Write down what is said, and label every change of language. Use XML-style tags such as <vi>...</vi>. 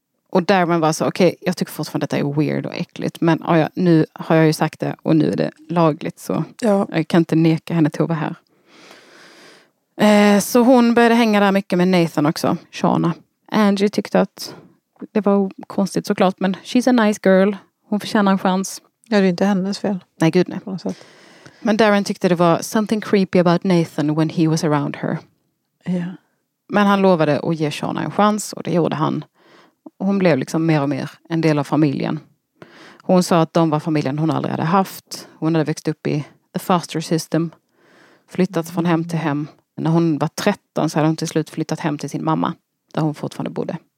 <sv>Och där man var så, okej,</sv> <en>okay,</en> <sv>jag tycker fortfarande att detta är weird och äckligt. Men ja, nu har jag ju sagt det, och nu är det lagligt, så ja. Jag kan inte neka henne till att vara här. Så hon började hänga där mycket med Nathan också, Shauna. Angie tyckte att det var konstigt såklart, men</sv> <en>she's a nice girl.</en> <sv>Hon förtjänar en chans. Ja, det är inte hennes fel. Nej, gud nej. Men Darren tyckte det var</sv> <en>something creepy about Nathan when he was around her.</en> <sv>Ja. Men han lovade att ge Shauna en chans, och det gjorde han. Hon blev liksom mer och mer en del av familjen. Hon sa att de var familjen hon aldrig hade haft. Hon hade växt upp i</sv> <en>the foster system.</en> <sv>Flyttat från hem till hem. När hon var 13 så hade hon till slut flyttat hem till sin mamma, där hon fortfarande bodde.</sv>